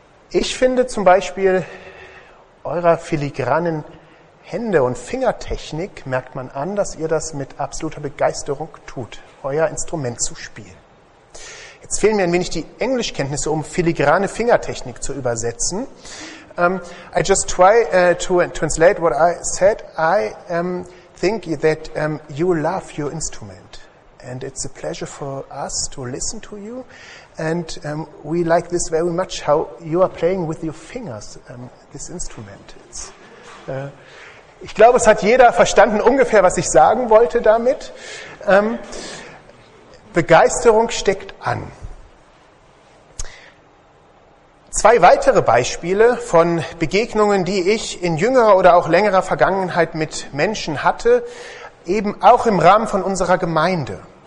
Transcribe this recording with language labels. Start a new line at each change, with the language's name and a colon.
German: Ich finde zum Beispiel eurer filigranen Hände- und Fingertechnik merkt man an, dass ihr das mit absoluter Begeisterung tut, euer Instrument zu spielen. Jetzt fehlen mir ein wenig die Englischkenntnisse, um filigrane Fingertechnik zu übersetzen.
English: I just try to translate what I said. I think that you love your instrument. And it's a pleasure for us to listen to you. And we like this very much, how you are playing with your fingers, this instrument.
German: Ich glaube, es hat jeder verstanden ungefähr, was ich sagen wollte damit. Begeisterung steckt an. 2 weitere Beispiele von Begegnungen, die ich in jüngerer oder auch längerer Vergangenheit mit Menschen hatte, eben auch im Rahmen von unserer Gemeinde.